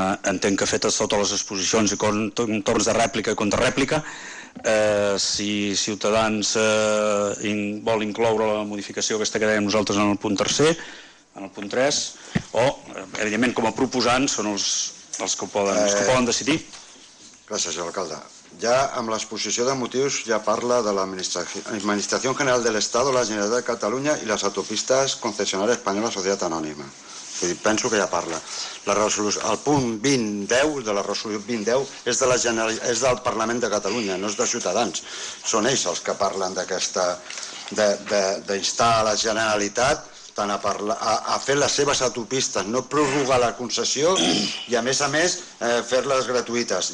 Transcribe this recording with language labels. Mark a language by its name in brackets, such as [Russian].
[Catalan] Entenc que fetes totes les exposicions i torns de rèplica i contrarèplica, si Ciutadans vol incloure la modificació aquesta que dèiem nosaltres en el punt tercer, en el punt 3, o evidentment com a proposants són els que ho poden decidir. Gràcies, alcalde. [Spanish] ya en la exposición de motivos ya [Catalan] parla [Spanish] de la Administración General del Estado, la Generalitat de Cataluña y las autopistas concesionarias españolas Sociedad Anónima. [Catalan] Penso que ja parla. La resolució, el punt 20.10 de la resolució 20.10 és, és del Parlament de Catalunya, no és de Ciutadans. Són ells els que parlen d'aquesta... d'instar la Generalitat tant a, a fer les seves autopistes, no prorrogar la concessió i, a més, fer-les gratuïtes.